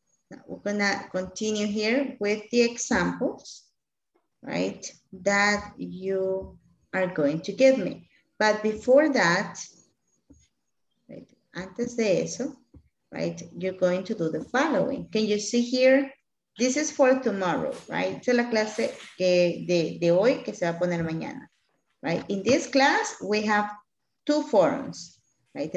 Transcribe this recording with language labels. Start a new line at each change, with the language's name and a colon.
English: Now we're going to continue here with the examples, right, that you are going to give me. But before that, right,
Spanish: antes de eso,
English: right, you're going to do the following. Can you see here? This is for tomorrow, right?
Spanish: Esta es la clase de hoy que se va a poner mañana, right?
English: In this class, we have two forums, right?